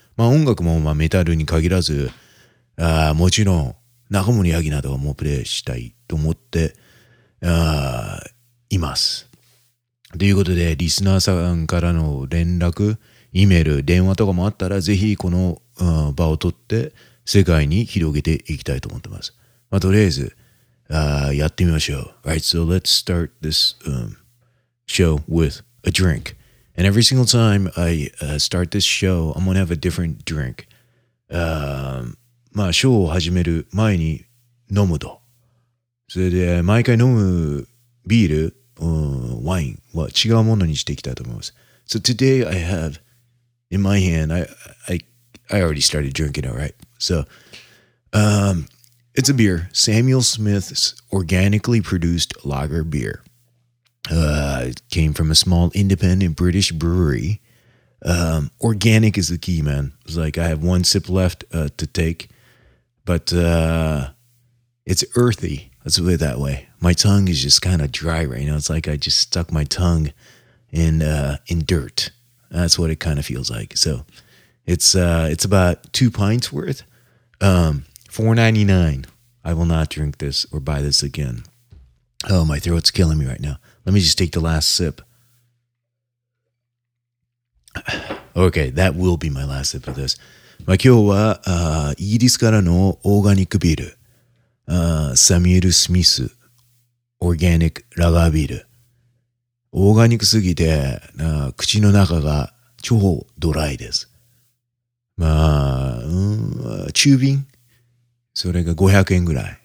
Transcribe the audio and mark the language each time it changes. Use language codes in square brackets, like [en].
[ja] まあ音楽もまあメタルに限らず、もちろん中森明菜などはもうプレイしたいと思っています。ということで、リスナーさんからの連絡、イメール、電話とかもあったら、ぜひこの、場を取って、世界に広げていきたいと思ってます。まあ、とりあえず、やってみましょう。 [en] Right, so let's start this, show with a drink. And every single time I, start this show, I'm gonna have a different drink. [ja] まあ、ショーを始める前に飲むと。それで、毎回飲むビール、ワインは違うものにしていきたいと思います。 [en] So today I have in my hand, I already started drinking it, right? So, it's a beer, Samuel Smith's organically produced lager beer. It came from a small independent British brewery. Organic is the key, man. It's like I have one sip left to take, but it's earthy. Let's put it that way. My tongue is just kind of dry right now. It's like I just stuck my tongue in dirt. That's what it kind of feels like. So it's about 2 pints worth. $4.99. I will not drink this or buy this again. Oh, my throat's killing me right now. Let me just take the last sip. Okay, that will be my last sip of this. [ja] まあ今日はイギリスからのオーガニックビール。サミュエル・スミス、オーガニック・ラガービール。オーガニックすぎて、口の中が超ドライです。まあ、中瓶それが500円ぐらい。